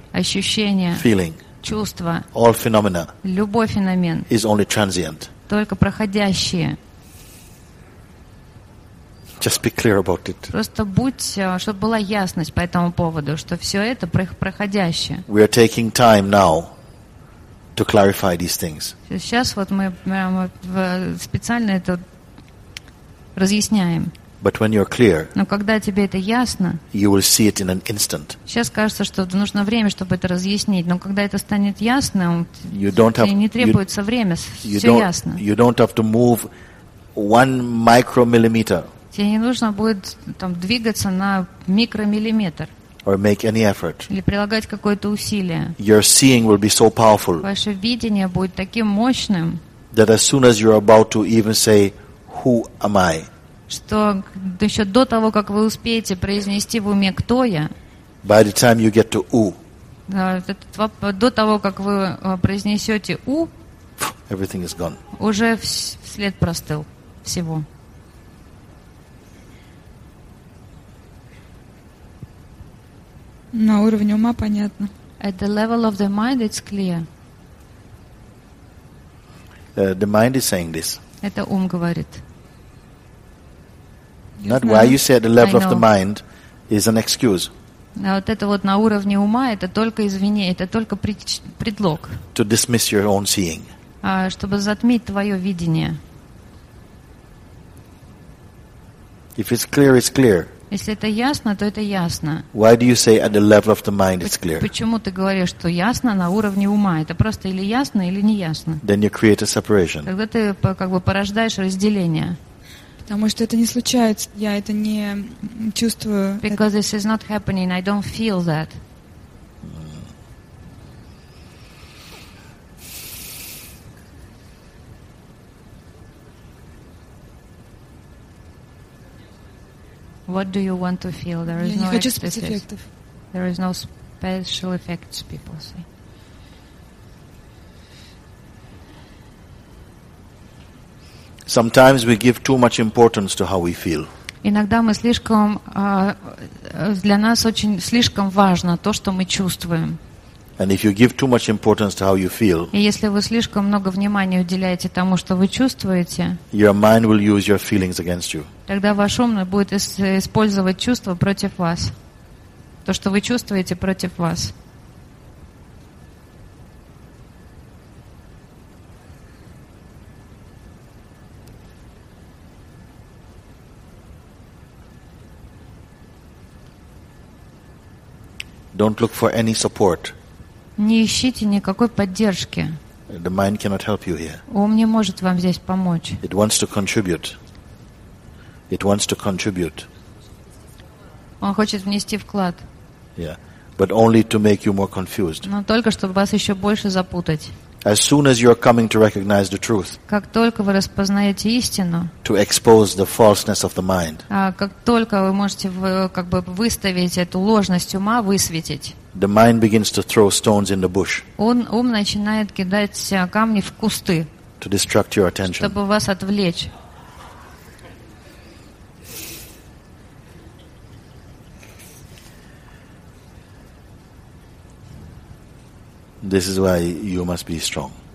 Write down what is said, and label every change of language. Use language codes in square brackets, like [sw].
[ru] Ощущения. [en] Feeling. [ru] Чувства. [en] All phenomena. [ru] Любой феномен. [en] Is only transient. [ru] Только проходящие. [en] Just be clear about it. [ru] Просто будь, чтобы была ясность по этому поводу, что все это проходящее. [en] We are taking time now to clarify these things. [ru] Сейчас вот мы специально это разъясняем. [en] But when you're clear, [ru] но когда тебе это ясно, [en] you will see it in an instant. [ru] Сейчас кажется, что нужно время, чтобы это разъяснить, но когда это станет ясно, тебе не требуется время, все ясно. [en] You don't have to move one micromillimeter. [ru] Тебе не нужно будет там двигаться на микромиллиметр. [en] Or make any effort. [ru] Или прилагать какое-то усилие. [en] Your seeing will be so powerful. [ru] Ваше видение будет таким мощным. [en] That as soon as you're about to even say, "Who am I?" [ru] Что еще до того, как вы успеете произнести в уме «Кто я?», [en] By the time you get to U, [ru] до того, как вы произнесете «У», [en] everything is gone. [ru] Уже след простыл всего. На уровне ума понятно. [en] At the level of the mind, it's clear. The mind is saying this. [ru] Это ум говорит. [en] Not why you say at the level of the mind is an excuse. [ru] Вот это вот на уровне ума, это только извини, это только предлог. [en] To dismiss your own seeing. [ru] Чтобы затмить твое видение. [en] If it's clear, it's clear. [ru] Если это ясно, то это ясно. [en] Why do you say at the level of the mind it's clear? [ru] Почему ты говоришь, что ясно на уровне ума? Это просто или ясно, или не ясно. [en] Then you create a separation. [ru] Тогда ты как бы порождаешь разделение. Потому что это не случается. Я это не чувствую. [en] Because this is not happening. I don't feel that. What do you want to feel? There is no ecstasy. There is no special effects, people say. Sometimes we give too much importance to how we feel. [ru] Иногда мы слишком для нас очень слишком важно то, что мы чувствуем. [en] And if you give too much importance to how you feel, [ru] и если вы слишком много внимания уделяете тому, что вы чувствуете, [en] your mind will use your feelings against you. [ru] Тогда ваш ум будет использовать чувства против вас, то, что вы чувствуете против вас. [en] Don't look for any support. [ru] Не ищите никакой поддержки. [en] The mind cannot help you here. [ru] Ум не может вам здесь помочь. [en] It wants to contribute. It wants to contribute. [ru] Он хочет внести вклад. [en] Yeah, but only to make you more confused. [ru] Но только чтобы вас еще больше запутать. [en] As soon as you are coming to recognize the truth. [ru] Как только вы распознаете истину. [en] To expose the falseness of the mind. [ru] Как только вы можете как бы выставить эту ложность ума, высветить. [en] The mind begins to throw stones in the bush. [ru] Ум начинает кидать камни в кусты. [en] To distract your attention. [ru] Чтобы вас отвлечь. [en] This is why you must be strong.